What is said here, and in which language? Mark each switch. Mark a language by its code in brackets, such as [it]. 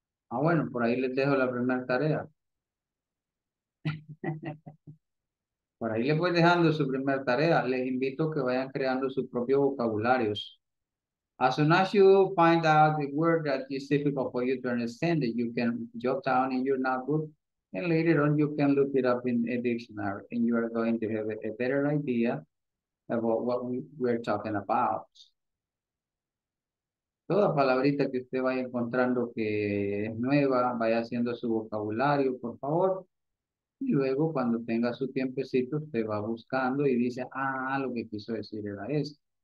[es] Ah, bueno, por ahí les dejo la primera tarea. Por ahí les voy dejando su primera tarea. Les invito a que vayan creando sus propios vocabularios. [en] As soon as you find out the word that is difficult for you to understand, you can jot down in your notebook, and later on you can look it up in a dictionary, and you are going to have a better idea about what we're talking about. [es] Toda palabrita que usted vaya encontrando que es nueva, vaya haciendo su vocabulario, por favor. Y luego, cuando tenga su tiempecito, usted va buscando y dice, ah, lo que quiso decir era esto.